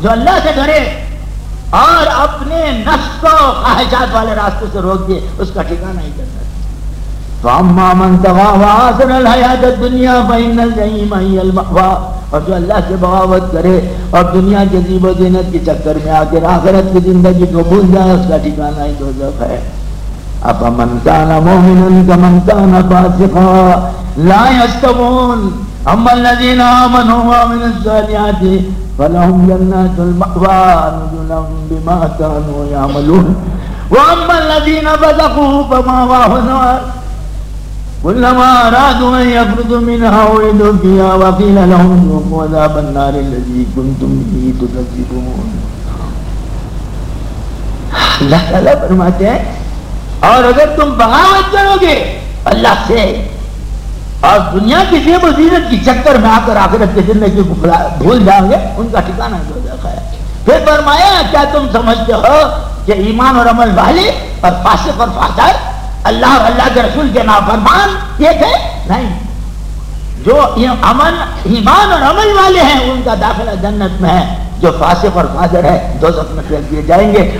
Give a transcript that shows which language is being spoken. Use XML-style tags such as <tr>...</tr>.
<ur>جو اللہ سے ڈرے اور اپنے نفس کو خواہشات والے راستے سے روک دیے اس کا ٹھکانہ ہی جنت.</ur> <ar>وَأَمَّا مَنْ طَغَى وَآثَرَ الْحَيَاةَ الدُّنْيَا فَإِنَّ الْجَحِيمَ هِيَ الْمَأْوَى.</ar> <ur>اور جو اللہ سے بغاوت کرے اور دنیا کے زیب و زینت کے چکر میں آ کر آخرت کی زندگی کو بھول جائے اس کا ٹھکانہ ہی دوزخ ہے.</ur> <ar>اَفَمَنْ كَانَ مُؤْمِنًا كَمَنْ كَانَ فَاسِقًا لَا يَسْتَوُونَ أَمَّا الَّذِينَ آمَنُوا وَعَمِلُوا الصَّالِحَاتِ فَلَهُمْ جَنَّاتُ الْمَأْوَى نُزُلًا بِمَا كَانُوا يَعْمَلُونَ وَأَمَّا الَّذِينَ فَسَقُوا فَمَأْوَاهُمُ النَّارُ كلما أرادوا أن يخرجوا منها أعيدوا فيها وقيل لهم ذوقوا عذاب النار الذي كنتم به تكذبون.</ar> <ur>اللہ تعالیٰ فرماتے ہیں اور اگر تم بغاوت کرو گے اللہ سے اور دنیا کی زیب و زینت کی چکر میں آ کر آخرت کے زندگی کو بھول جاؤ گے ان کا ٹھکانہ جو دیکھا ہے. پھر فرمایا کیا تم سمجھتے ہو کہ ایمان اور عمل والے اور فاسق اور فاجر اللہ اور اللہ کے رسول کے نافرمان ایک ہے؟ نہیں, جو امن ایمان اور عمل والے ہیں ان کا داخلہ جنت میں ہے, جو فاسق اور فاجر ہے دوزخ میں پھینک دیے جائیں گے.</ur>